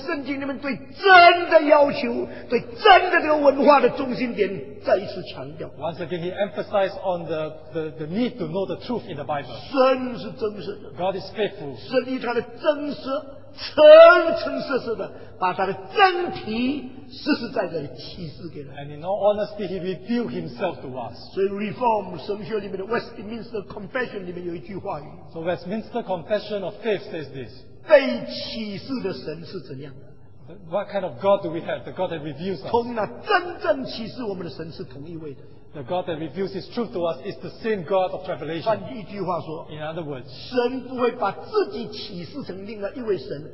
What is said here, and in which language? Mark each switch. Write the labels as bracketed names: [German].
[Chinese] 这就是把那个整个圣经里面对真的要求, 对真的这个文化的中心点, [English] once again, he emphasized on the need to know the truth in the Bible. [Chinese] 神是真实的, [English] God is faithful. [Chinese] 神以他的真实, 诚诚实实的, 把他的真体, [English] and in all honesty, he revealed himself to us. [Chinese] So Reform 神学里面的 Westminster Confession 里面有一句话语. [English] So Westminster Confession of Faith says this. [Chinese] 被启示的神是怎样? [English] What kind of God do we have? The God that reveals us. [Chinese] 同那真正启示我们的神是同一位的. [English] The God that reveals His truth to us is the same God of Revelation. [Chinese] 换一句话说, [English] in other words, [Chinese] 神不会把自己启示成另外一位神。